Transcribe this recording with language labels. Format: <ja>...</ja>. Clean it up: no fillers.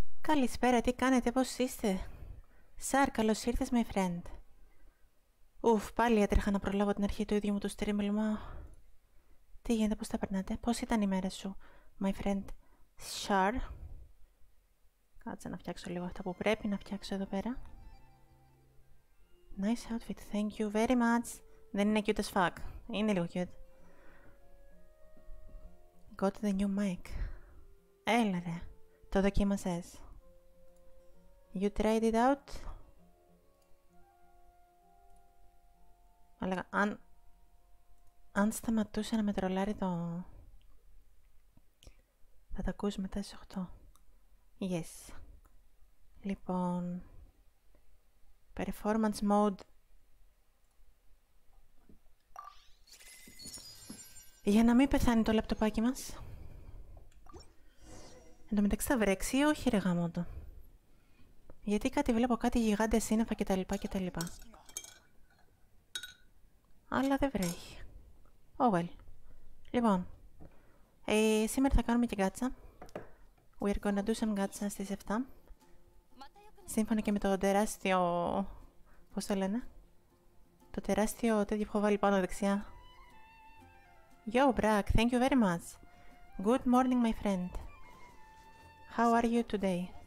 <el>καλησπέρα, τι κάνετε, πώς είστε? Σαρ, καλώς ήρθες,</el> <en>my friend.</en> <el>Ουφ, πάλι έτρεχα να προλάβω την αρχή του ίδιου μου το stream, μα... Τι γίνεται, πώς τα περνάτε, πώς ήταν η μέρα σου,</el> <en>my friend,</en> <el>Σαρ? Κάτσε να φτιάξω λίγο αυτά που πρέπει να φτιάξω εδώ πέρα.</el> <en>Nice outfit, thank you very much.</en> <el>Δεν είναι</el> <en>cute as fuck,</en> <el>είναι λίγο cute.</el> <en>Got the new mic.</en> <el>Έλα ρε, το δοκίμασες?</el> <en>You tried it out?</en> <el>Αλλά αν σταματούσε να με τρολάρει το... Θα τα ακούς μετά στις 8. Yes. Λοιπόν...</el> <en>Performance mode.</en> <el>Για να μην πεθάνει το λαπτοπάκι μας. Εν τω μεταξύ θα βρέξει ή όχι ρε γαμότο? Γιατί κάτι βλέπω, κάτι γιγάντες σύννεφα κτλ. Αλλά δεν βρέχει.</el> <en>Oh well.</en> <el>Λοιπόν, σήμερα θα κάνουμε και γκάτσα.</el> <en>We are gonna do some γκάτσα</en> <el>στις 7. Σύμφωνα και με το τεράστιο... Πώς το λένε? Το τεράστιο τέτοιο που έχω βάλει πάνω δεξιά.</el> <en>Yo, Brack, thank you very much. Good morning, my friend. How are you today?</en>